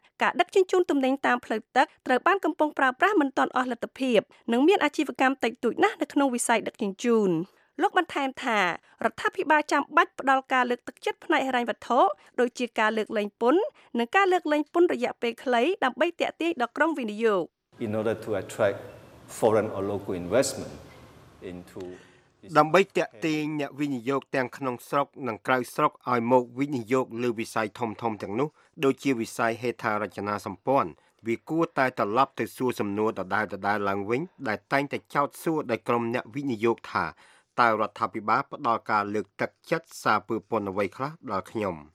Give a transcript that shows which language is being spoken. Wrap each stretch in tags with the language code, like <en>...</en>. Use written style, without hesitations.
<km>ការដឹកជញ្ជូនទំនិញតាមផ្លូវទឹកត្រូវបានកំពុងប្រើប្រាស់មិនទាន់អស់លទ្ធភាពនិងមានអាជីវកម្មតិចតួចណាស់នៅក្នុងវិស័យដឹកជញ្ជូនលោកបន្ថែមថារដ្ឋាភិបាលចាំបាច់ផ្ដល់ការលើកទឹកចិត្តផ្នែកហិរញ្ញវត្ថុដូចជាការលើកលែងពន្ធនិងការលើកលែងពន្ធរយៈពេលខ្លីដើម្បីទាក់ទាញដល់ក្រុមវិនិយោគ</km> <en>In order to attract foreign or local investment into</en> <km>ដើម្បីទាក់ទាញអ្នកវិនិយោគទាំងក្នុងស្រុកនិងក្រៅស្រុកឲ្យមកវិនិយោគលើវិស័យធំៗទាំងនោះដូចជាវិស័យហេដ្ឋារចនាសម្ព័ន្ធវាគួរតែត្រឡប់ទៅសួរសំណួរដដែលឡើងវិញដែលតែងតែចោទសួរដោយក្រុមអ្នកវិនិយោគថាតើរដ្ឋាភិបាលផ្ដល់ការលើកទឹកចិត្តសារពើពន្ធអ្វីខ្លះដល់ខ្ញុំ</km>